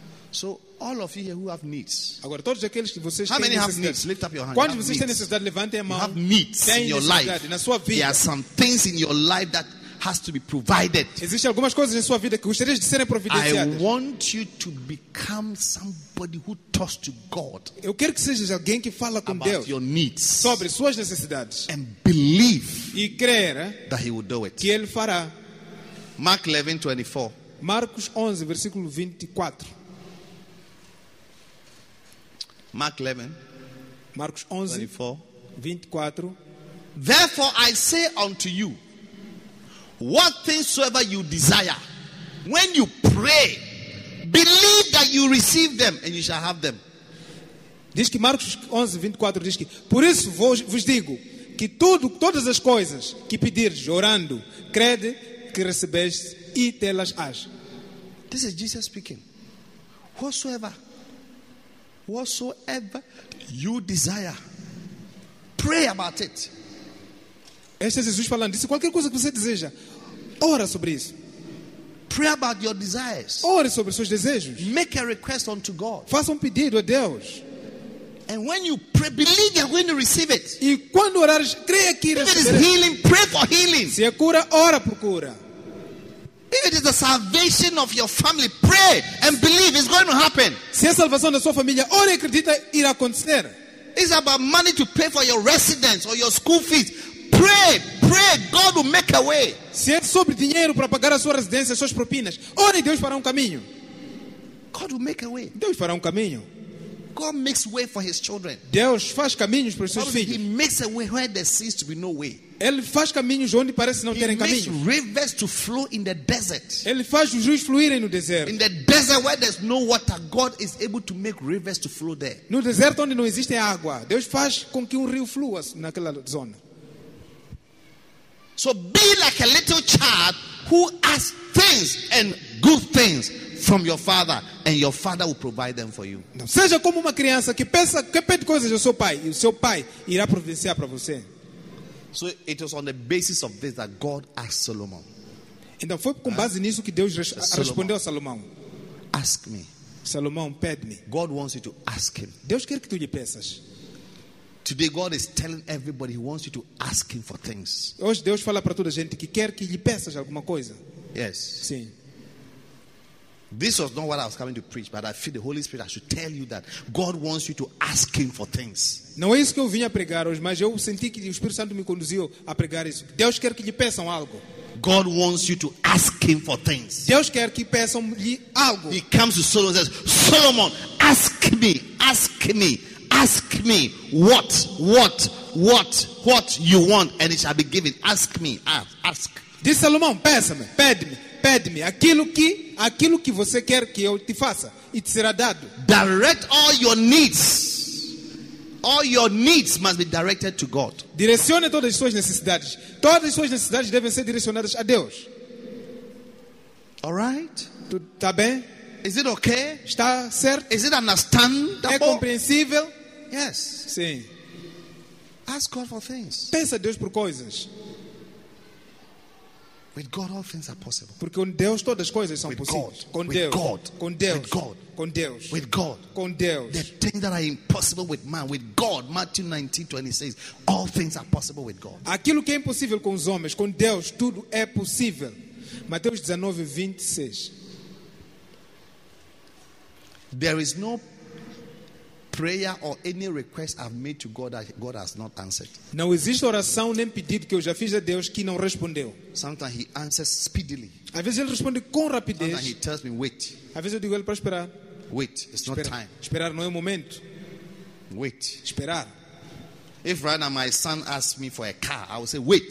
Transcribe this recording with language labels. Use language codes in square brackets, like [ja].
[en] So all of you here who have needs. [pt] Agora todos aqueles que vocês [en] How [pt] têm [en] many have needs? Lift up your hand. [pt] Quantos vocês têm necessidade? Levantem a mão. [en] You have needs in your life. [pt] Na sua vida. [en] There are some things in your life that has to be provided. [pt] Existem algumas coisas em sua vida que gostarias de serem providenciadas. [en] I want you to become somebody who talks to God. [pt] Eu quero que sejas alguém que fala com [en] about [pt] Deus [en] your needs [pt] sobre suas necessidades. [en] And believe [pt] e crer [en] that he will do it. [pt] Que ele fará. [en] Mark 11, 24. [pt] Marcos 11, versículo 24. [en] Mark 11, [pt] Marcos 11, 24. [en] Therefore I say unto you, what things soever you desire, when you pray, believe that you receive them, and you shall have them. [pt] Diz que Marcos 11, 24 diz que, por isso vos digo, que todas as coisas que pedires orando, crede que recebeste e tê-las-ás. [en] This is Jesus speaking. Whatsoever you desire, pray about it. [pt] Este é Jesus falando. Disse qualquer coisa que você deseja, ora sobre isso. [en] Pray about your desires. [pt] Ore sobre seus desejos. [en] Make a request unto God. [pt] Faça pedido a Deus. [en] And when you pray, believe you're going to receive it. [pt] E quando orares, creia que receberá. [en] If it is healing, pray for healing. [pt] Se é cura, ora por cura. [en] If it is the salvation of your family, pray and believe it's going to happen. [pt] Se é salvação da sua família, ore e acredita, irá acontecer. [en] It's about money to pay for your residence or your school fees. Pray, God will make a way. [pt] Se é sobre dinheiro para pagar a sua residência, as suas propinas, ore, Deus fará caminho. [en] God will make a way. [pt] Deus fará caminho. [en] God makes way for his children. [pt] Deus faz caminhos para os seus filhos. [en] He makes a way where there seems to be no way. [pt] Ele faz caminhos onde parece não [en] he [pt] terem caminho. [en] He makes rivers to flow in the desert. [pt] Ele faz os rios fluírem no deserto. [en] In the desert where there's no water, God is able to make rivers to flow there. [pt] No deserto onde não existe água, Deus faz com que rio flua naquela zona. [en] So be like a little child who asks things and good things from your father, and your father will provide them for you. [pt] Não, seja como uma criança que pensa que pede coisas ao seu pai, e o seu pai irá providenciar para você. [en] So it was on the basis of this that God asked Solomon. [pt] Então foi com base nisso que Deus respondeu a Salomão. [en] Ask me. [pt] Salomão, pede-me. [en] God wants you to ask him. [pt] Deus quer que tu lhe peças. [en] Today God is telling everybody he wants you to ask him for things. [pt] Hoje Deus fala para toda a gente que quer que lhe peças alguma coisa. [en] Yes. [pt] Sim. [en] This was not what I was coming to preach, but I feel the Holy Spirit I should tell you that God wants you to ask him for things. [pt] Não é isso que eu vim a pregar hoje, mas eu senti que o Espírito Santo me conduziu a pregar isso. Deus quer que lhe peçam algo. [en] God wants you to ask him for things. [pt] Deus quer que peçam-lhe algo. [en] He comes to Solomon and says, Solomon, ask me, ask me, ask me what you want and it shall be given. Ask me, ask. [pt] Diz Salomão, peça-me, pede-me, pede-me aquilo que você quer que eu te faça, e te será dado. [en] Direct all your needs. All your needs must be directed to God. [pt] Direcione todas as suas necessidades. Todas as suas necessidades devem ser direcionadas a Deus. [en] All right? [pt] Está bem? [en] Is it okay? [pt] Está certo? [en] Is it understandable? [pt] É compreensível? [en] Yes. [pt] Sim. [en] Ask God for things. [pt] Pensa a Deus por coisas. [en] With God, all things are possible. [pt] Porque com Deus todas as coisas são [en] with [pt] possíveis. [en] God. [pt] Com [en] with [pt] Deus. [en] God. [pt] Com Deus. [en] With God. [pt] Com Deus. [en] With God. [pt] Com Deus. [en] The things that are impossible with man, with God. Matthew 19:26. All things are possible with God. [pt] Aquilo que é impossível com os homens, com Deus tudo é possível. Mateus 19:26. [en] There is no prayer or any request I've made to God that God has not answered. [pt] Não existe oração nem pedido que eu já fiz a Deus que não respondeu. [en] Sometimes he answers speedily. [pt] Às vezes ele responde com rapidez. [en] Sometimes he tells me wait. [pt] Às vezes eu digo a ele para esperar. [en] Wait, it's not time. [pt] Esperar não é o momento. [en] Wait. [pt] Esperar. [en] If right now my son asks me for a car, I will say wait.